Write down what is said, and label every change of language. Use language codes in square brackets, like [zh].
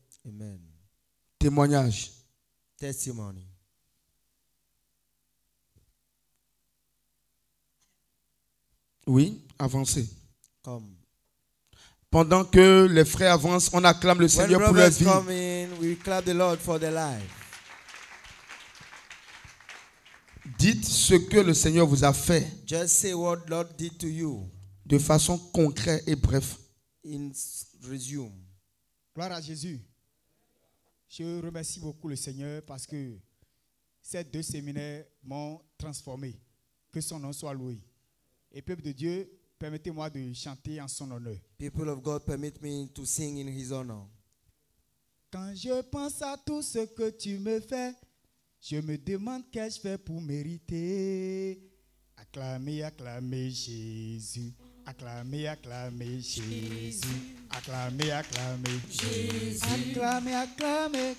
[fr] Amen. Témoignage. [en] Testimony. [fr] Oui, avancez. [en] Come. [fr] Pendant que les frères avancent, on acclame le Seigneur pour leur vie. [en] In, we clap the Lord for their life. [fr] Dites ce que le Seigneur vous a fait. [en] Just say what Lord did to you. [fr] De façon concrète et bref. [en] In resume. [fr] Gloire à Jésus. Je remercie beaucoup le Seigneur parce que ces deux séminaires m'ont transformé. Que son nom soit loué. Et peuple de Dieu, permettez-moi de chanter en son honneur. [en] People of God, permit me to sing in his honor. [fr] Quand je pense à tout ce que tu me fais, je me demande qu'est-ce que je fais pour mériter. Acclamez, acclamez Jésus. Acclamez, acclamez Jésus. Acclamez, acclamez Jésus. Acclamez, acclamez